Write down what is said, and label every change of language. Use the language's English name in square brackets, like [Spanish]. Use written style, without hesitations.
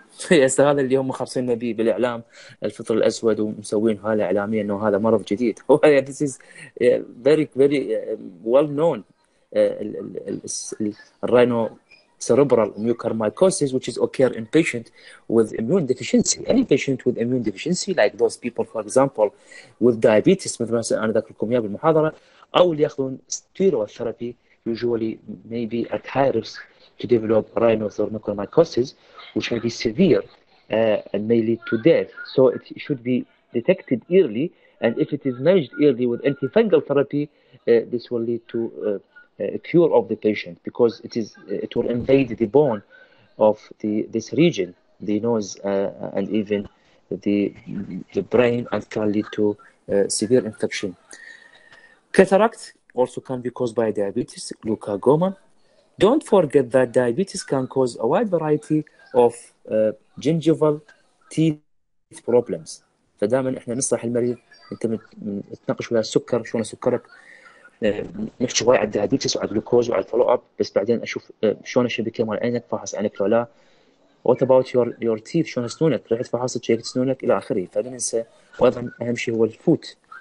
[Arabic] يس هذا اللي هم مخبصين به بالإعلام الفطر الأسود ومسوين هذا إعلامي أنه هذا مرض جديد. [English] This is very, very well known. Rhinocerebral mucormycosis, which is occur in patient with immune deficiency. Any patient with immune deficiency, like those people, for example, with diabetes, [Arabic] مثل ما أنا ذكركم إياه بالمحاضرة, أو اللي يأخذون [English] steroid therapy, usually maybe at high risk to develop rhinocerebral mucormycosis, which may be severe and may lead to death. So it should be detected early, and if it is managed early with antifungal therapy, this will lead to a cure of the patient, because it will invade the bone of this region, the nose, and even the brain, and can lead to severe infection. Cataract also can be caused by diabetes, glaucoma. Don't forget that diabetes can cause a wide variety of gingival teeth problems. [Arabic] فدائما احنا نصح المريض انت تناقش ويا السكر شلون سكرك نحكي وايد على الدايبيتس وعلى الجلوكوز وعلى الفولو اب بس بعدين اشوف شلون الشبكه مال عينك فحص عينك ولا [English] what about your teeth [Arabic] شلون سنونك رحت فحصت شيكت سنونك الى اخره فننسى وايضا اهم شيء هو الفوت